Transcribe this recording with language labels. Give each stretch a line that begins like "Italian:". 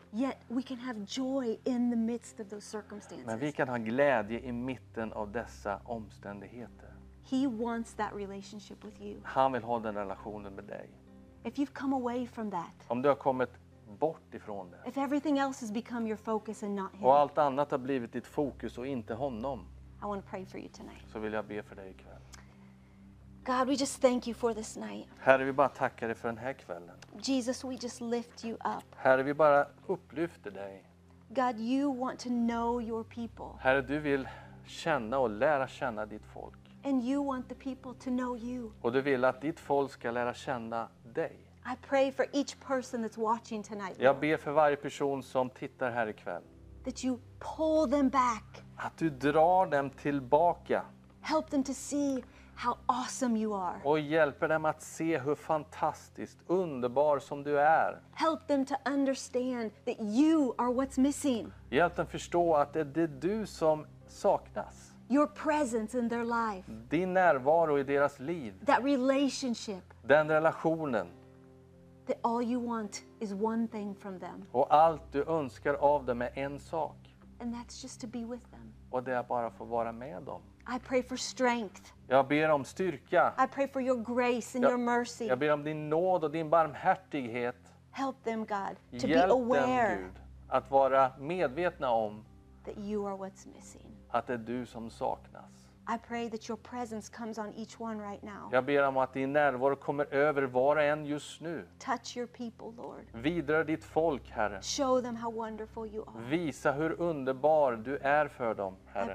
English: Yet we can have joy in the midst of those circumstances.
Swedish: Men vi kan ha glädje i mitten av dessa omständigheter.
English: He wants that relationship with you.
Swedish: Han vill ha den relationen med dig.
English: If you've come away from that.
Swedish: Om du har kommit bort ifrån det.
English: If everything else has become your focus and not him.
Swedish: Och allt annat har blivit ditt fokus och inte honom.
English: I want to pray for you tonight.
Swedish: Så vill jag be för dig ikväll.
English: God, we just thank you for this night.
Swedish: Herre, vi bara tackar dig för den här kvällen.
English: Jesus, we just lift you up.
Swedish: Herre, vi bara upplyfter dig.
English: God, you want to know your people.
Swedish: Herre, du vill känna och lära känna ditt folk.
English: And you want the people to know you.
Swedish: Och du vill att ditt folk ska lära känna dig.
English: I pray for each person that's watching tonight.
Swedish: Jag ber för varje person som tittar här ikväll.
English: That you pull them back.
Swedish: Att du drar dem tillbaka.
English: Help them to see how awesome you are.
Swedish: Och hjälper dem att se hur fantastiskt, underbar som du är.
English: Help them to understand that you are what's missing.
Swedish: Hjälp dem förstå att det är du som saknas.
English: Your presence in their life.
Swedish: Din närvaro i deras liv.
English: That relationship.
Swedish: Den relationen.
English: That all you want is one thing from them.
Swedish: Och allt du önskar av dem är en sak.
English: And that's just to be with them.
Swedish: Och det är bara att få vara med dem.
English: I pray for strength.
Swedish: Jag ber om styrka.
English: I pray for your grace and your mercy.
Swedish: Jag ber om din nåd och din barmhärtighet.
English: Help them, God, to
Swedish: Hjälp
English: be aware.
Swedish: Dem, Gud, att vara medvetna om
English: that you are what's missing.
Swedish: Att det är du som saknas.
English: I pray that your presence comes on each one right now.
Swedish: Jag ber om att din närvaro kommer över var och en just nu.
English: Touch your people, Lord.
Swedish: Vidra ditt folk, Herre.
English: Show them how wonderful you are.
Swedish: Visa hur underbar du är för dem, Herre.